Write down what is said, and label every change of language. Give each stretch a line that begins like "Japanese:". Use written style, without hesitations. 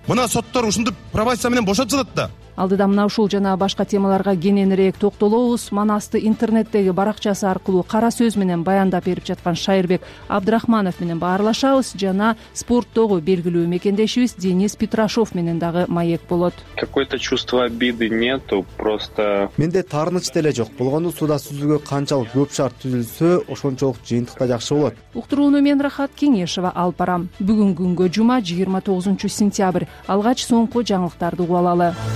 Kyrgyz: Мына соттор ушинтип пробация менен бошотушат да. Алдыда мына ушул жана башка темаларга кененирээк токтолобуз. Манасты интернеттеги баракчасы аркылуу кара сөз менен баяндап берип жаткан Шайырбек Абдрахманов менен баарлашабыз жана спорттогу белгилүү мекендешибиз Денис Петрашов менен дагы маек болот.
Russian: Какое-то чувство обиды нету, просто
Kyrgyz: менде таарыныч деле жок. Болгону сууда сүзүүгө канчалык көп шарт түзүлсө, ошончолук жыйынтык да жакшы болот. Уктурууну мен Рахат Кеңешова алып барам. Бүгүн күнгө жума, 29 сентябрь. Алгач соңку жаңылыктарды угалалы.